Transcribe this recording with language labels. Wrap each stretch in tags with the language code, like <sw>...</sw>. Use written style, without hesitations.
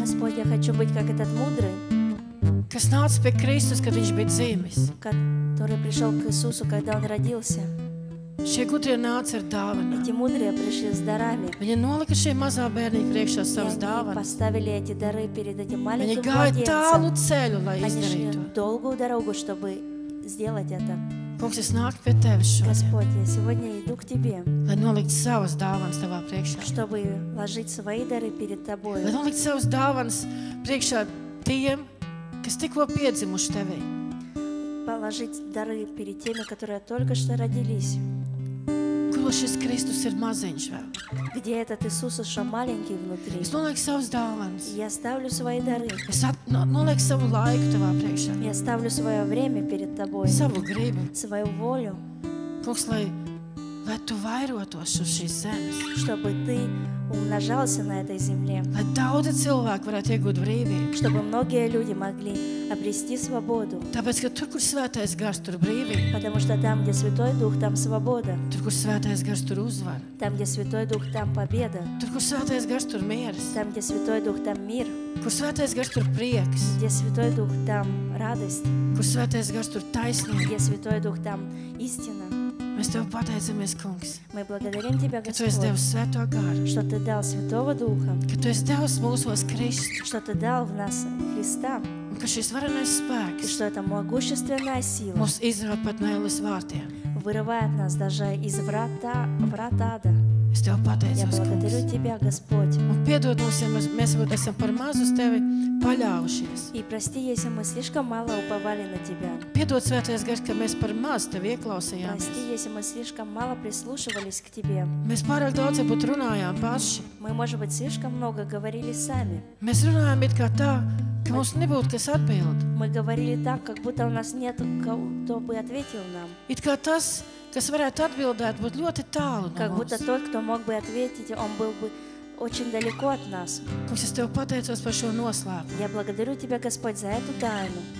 <ru>Господь, я хочу быть как этот мудрый.</ru> <lv>Kas nāca pie Kristus, kad viņš bija dzīmis.</lv> <ru>Который пришел к Иисусу, когда он родился.</ru> <lv>Šie gudrie nāca ar dāvanām.</lv> <ru>Эти мудрые пришли с дарами.</ru> <lv>Viņi нолика šī mazā bērniņa priekšā savas dāvanas.</lv> <ru>Поставили эти дары перед этим маленьким</ru> <lv>Viņi гāja tālu ceļu, lai</lv> <ru>Они</ru> <lv>izdarītu.</lv> <ru>Долгую дорогу, чтобы сделать это.</ru> <lv>Kungs, es nāku pie Tevis šodien.</lv> <ru>Господь, я сегодня иду к Тебе.</ru> <lv>Lai nolikt savas dāvanas Tavā priekšā.</lv> <ru>Чтобы ложить свои дары перед Тобой.</ru> <lv>Lai nolikt savas dāvanas priekšā Tiem, kas tikko piedzimuši Tevī.</lv> <ru>Положить дары перед теми, которые только что родились.</ru> <lv>Kur šis Kristus ir maziņš vēl?</lv> <ru>Где этот Иисус еще маленький внутри?</ru> <lv>Es nolieku savas dāvanas.</lv> <ru>Я ставлю свои дары.</ru> <lv>Es nolieku savu laiku Tavā priekšā.</lv> <ru>Я ставлю свое время перед Тобой.</ru> <lv>Savu gribu.</lv> <ru>Свою волю.</ru> <lv>Kungs, lai, lai tu vairotos uz šīs zemes,</lv> <ru>чтобы ты умножался на этой земле.</ru> <lv>Lai daudz cilvēku varētu iegūt brīvību,</lv> <ru>чтобы многие люди могли обрести свободу.</ru> <lv>Tāpēc, ka tur, kur svētais gars, tur brīvība.</lv> <ru>Потому что там, где святой дух, там свобода.</ru> <lv>Tur, kur svētais gars, tur uzvara.</lv> <ru>Там, где святой дух, там победа.</ru> <lv>Tur, kur svētais gars, tur miers.</lv> <ru>Там, где святой дух, там мир.</ru> <lv>Kur svētais gars, tur prieks.</lv> <ru>Где святой дух, там радость.</ru> <lv>Kur svētais gars, tur taisnība.</lv> <ru>Где святой дух, там истина.</ru> <lv>Mēs Tev pateicamies, Kungs.</lv> <ru>Мы благодарим Тебя, Господь.</ru> <lv>Ka Tu esi devis Svēto garu.</lv> <ru>Что Ты дал Святого Духа.</ru> <lv>Ka Tu esi devis mūsos Kristu.</lv> <ru>Что Ты дал в нас Христа.</ru> <lv>Un ka šis varenais spēks.</lv> <ru>И что это могущественная сила.</ru> <lv>Mūs izrāt pat no ielas vārtiem.</lv> <ru>Вырывает нас даже из врата ада.</ru> <lv>Es Tev pateicos, Kungs.</lv> <ru>Я благодарю Тебя, Господь.</ru> <lv>Un piedod mums, ja mēs esam par maz uz Tevi paļāvušies.</lv> <ru>И прости, если мы слишком мало уповали на Тебя.</ru> <lv>Piedod, Svētais Gars, ka mēs par maz Tevi ieklausījāmies.</lv> <ru>Прости, если мы слишком мало прислушивались к Тебе.</ru> <lv>Mēs pārāk daudz būt runājām paši.</lv> <ru>Мы, может быть, слишком много говорили сами.</ru> <lv>Mēs runājām it kā tā, ka mums nebūtu, kas atbild.</lv> <ru>Мы говорили так, как будто у нас нет, кто бы ответил нам.</ru> <lv>It kā tas, kas varētu atbildēt, būtu ļoti tālu no</lv> <ru>как mums. Будто тот, кто мог бы ответить, он был бы очень далеко от нас.</ru> <lv>Kungs, es Tev pateicos par šo noslēpumu.</lv> <ru>Я благодарю Тебя, Господь, за эту тайну.</ru>